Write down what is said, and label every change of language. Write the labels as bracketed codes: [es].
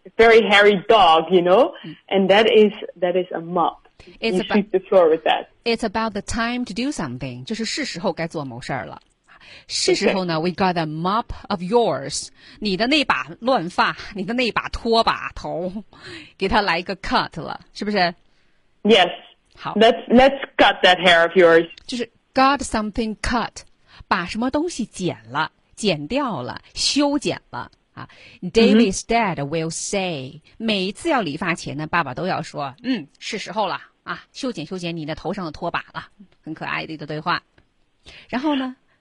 [en] very hairy dog, you know, and that is a mop. It's you sweep the floor with that. It's about the time to do something. [zh] 就是是时候该做某事儿了。是时候呢 [en] we got a mop of yours [zh] 你的那把乱发你的那把拖把头给他来一个 cut 了是不是 [en] yes [zh] 好 [en] let's cut that hair of yours [zh] 就是 [en] got something cut [zh] 把什么东西剪了剪掉了修剪了、啊、 [en] David's dad will say [zh] 每一次要理发前呢爸爸都要说嗯是时候了啊修剪修剪你的头上的拖把了很可爱的对话然后呢